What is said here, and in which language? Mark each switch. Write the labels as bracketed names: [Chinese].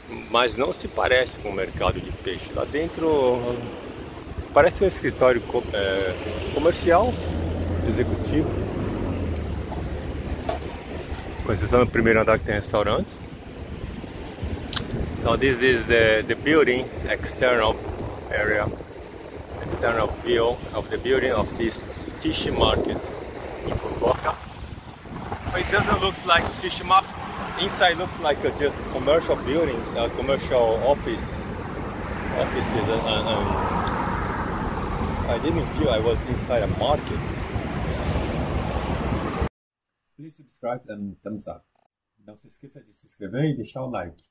[Portuguese] Mas não se parece com o mercado de peixe. Lá dentro parece um escritório comercial, executivo. Com exceção do primeiro andar que tem restaurantes. [English] So this is the building, external area, external view of the building of this fish market in Fukuoka. But it doesn't look like fish market. Inside looks like just commercial buildings, commercial offices. And I didn't feel I was inside a market. Please subscribe and thumbs up. [Portuguese] Não se esqueça de se inscrever e deixar o like.